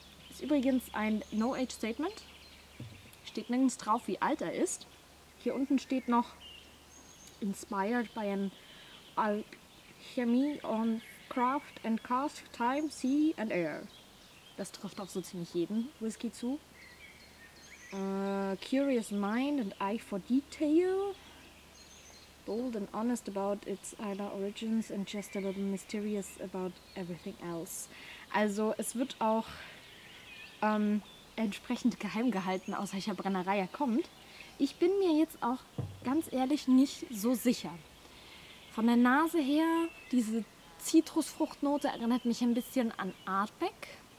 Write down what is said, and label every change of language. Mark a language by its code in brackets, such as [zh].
[de] Ist übrigens ein No-Age-Statement. Steht nirgends drauf, wie alt er ist. Hier unten steht noch [en] Inspired by an Alchemy on Craft and Cask, Time, Sea and Air. [de] Das trifft auf so ziemlich jeden Whisky zu. [en] Curious Mind and Eye for Detail. Bold and honest about its Islay origins and just a little mysterious about everything else. [de] Also es wird auch entsprechend geheim gehalten, aus welcher Brennerei er kommt. Ich bin mir jetzt auch ganz ehrlich nicht so sicher. Von der Nase her, diese Zitrusfruchtnote erinnert mich ein bisschen an Artbeck.